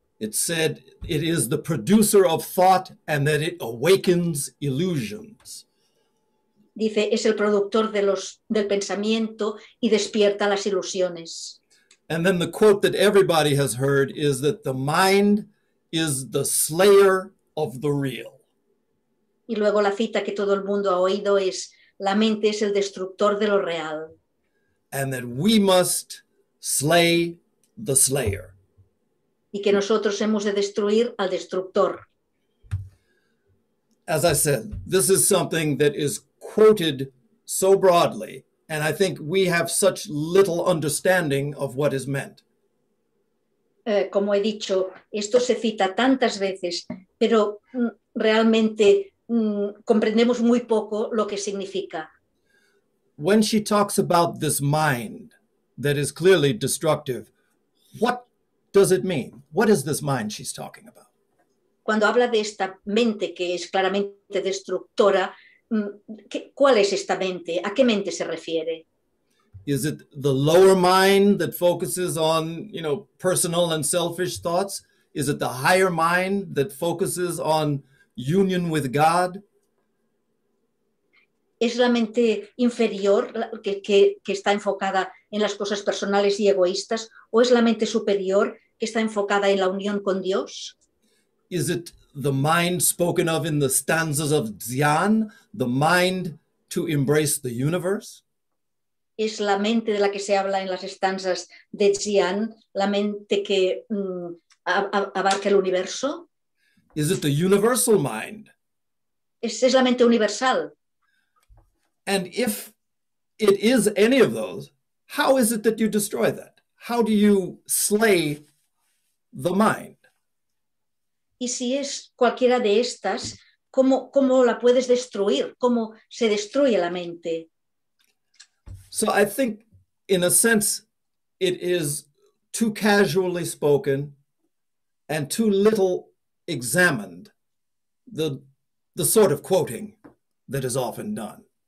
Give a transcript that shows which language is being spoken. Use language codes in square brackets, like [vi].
[en] It said it is the producer of thought and that it awakens illusions. [es] Dice, es el productor del pensamiento y despierta las ilusiones. [en] And then the quote that everybody has heard is that the mind is the slayer of the real. [es] Y luego la cita que todo el mundo ha oído es, la mente es el destructor de lo real. [en] And that we must slay the slayer. [es] Y que nosotros hemos de destruir al destructor. [en] As I said, this is something that is quoted so broadly, and I think we have such little understanding of what is meant. [es] Como he dicho, esto se cita tantas veces, pero realmente comprendemos muy poco lo que significa. [en] When she talks about this mind that is clearly destructive, what does it mean? What is this mind she's talking about? [es] Cuando habla de esta mente que es claramente destructora, ¿cuál es esta mente? ¿A qué mente se refiere? [en] Is it the lower mind that focuses on, you know, personal and selfish thoughts? Is it the higher mind that focuses on union with God? [es] ¿Es la mente inferior que está enfocada en las cosas personales y egoístas? ¿O es la mente superior que está enfocada en la unión con Dios? [en] Is it the mind spoken of in the stanzas of Dzogchen, the mind to embrace the universe? [es] Es la mente de la que se habla en las estanzas de Dzogchen, la mente que abarca el universo? [en] Is it the universal mind? [es] Es la mente universal. [en] And if it is any of those, how is it that you destroy that? How do you slay the mind? [es] Y si es cualquiera de estas, ¿cómo la puedes destruir? ¿Cómo se destruye la mente? [en] So I think, in a sense, it is too casually spoken and too little examined, the sort of quoting that is often done.